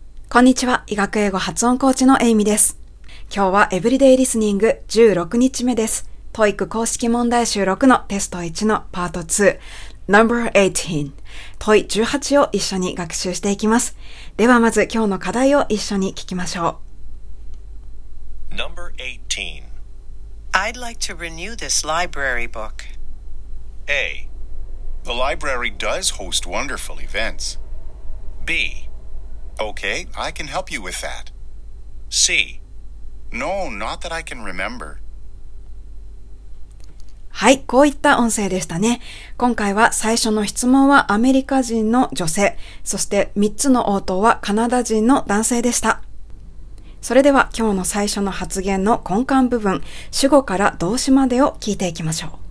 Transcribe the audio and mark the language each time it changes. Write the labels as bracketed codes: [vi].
[ja] こんにちは、医学英語発音コーチのエイミです。今日はエブリデイリスニング16日目です。 TOEIC 公式問題集6のテスト1のパート2 No.18 TOEIC18 を一緒に学習していきます。ではまず今日の課題を一緒に聞きましょう。 [en] No.18 I'd like to renew this library book. A. The library does host wonderful events. B. Okay, I can help you with that. C. No, not that I can remember. [ja] はい、こういった音声でしたね。今回は最初の質問はアメリカ人の女性、そして3つの応答はカナダ人の男性でした。それでは今日の最初の発言の根幹部分、主語から動詞までを聞いていきましょう。